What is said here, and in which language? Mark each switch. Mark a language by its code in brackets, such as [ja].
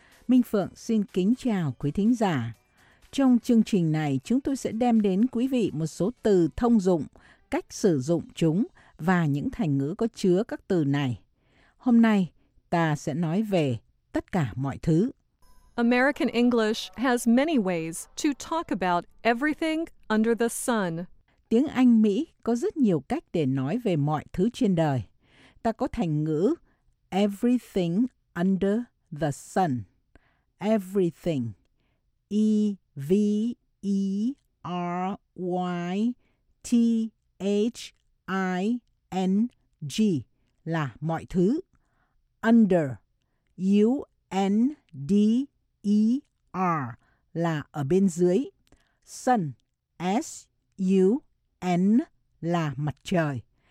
[vi] Minh Phượng xin kính chào quý thính giả. Trong chương trình này, chúng tôi sẽ đem đến quý vị một số từ thông dụng, cách sử dụng chúng và những thành ngữ có chứa các từ này. Hôm nay, ta sẽ nói về tất cả mọi thứ. [en] American English has many ways to talk about everything under the sun. [vi] Tiếng Anh Mỹ có rất nhiều cách để nói về mọi thứ trên đời. Ta có thành ngữ [en] everything under the sun, everything, everything, [vi] là mọi thứ, under, under, là ở bên dưới, sun, sun, là mặt trời.